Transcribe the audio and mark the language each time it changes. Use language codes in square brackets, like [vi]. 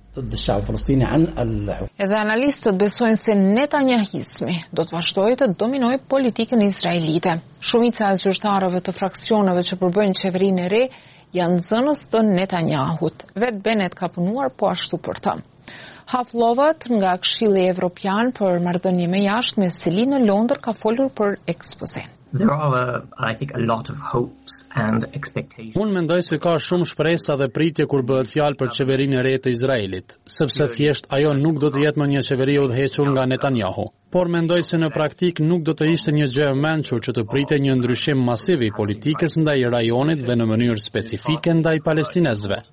[sq] Edhe analistët besojnë se Netanyahismi do të vazhdojë të dominojë politikën izraelite. Shumica e zyrtarëve të fraksioneve që përbëjnë qeverinë e re janë zënës të Netanyahut. Vet Bennett ka punuar po ashtu për ta. Haflovat nga Këshilli Evropian për Marrëdhënie me Jashtë me Seli në Londër ka folur për ekspozen. [en] There are, I think, a lot of hopes and expectations. [sq] Unë mendoj se ka shumë shpresa dhe pritje kur bëhet fjalë për qeverinë e re të Izraelit, sepse thjesht ajo nuk do të jetë më një qeveri e udhëhequr nga Netanyahu. Por mendoj se në praktik nuk do të ishte një gjë e mençur që të pritë një ndryshim masiv i politikës ndaj rajonit dhe në mënyrë specifike ndaj palestinezve.